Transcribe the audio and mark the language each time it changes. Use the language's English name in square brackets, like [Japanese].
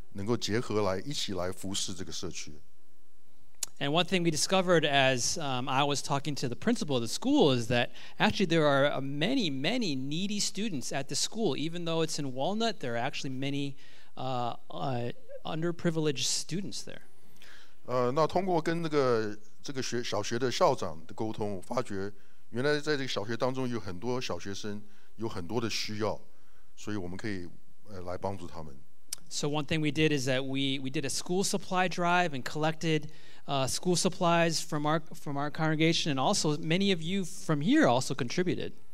[Chinese] 因为我们是在这个Vejar小学聚会，所以我们希望跟他们的老师跟校长等能够结合来一起来服侍这个社区。 [English] And one thing we discovered as I was talking to the principal of the school is that actually there are many, many needy students at the school. Even though it's in Walnut, there are actually many underprivileged students there. [Chinese] 那通过跟这个小学的校长的沟通，我发觉原来在这个小学当中有很多小学生有很多的需要，所以我们可以来帮助他们。 [English] So one thing we did is that we did a school supply drive and collected school supplies from our congregation, and also many of you from here also contributed.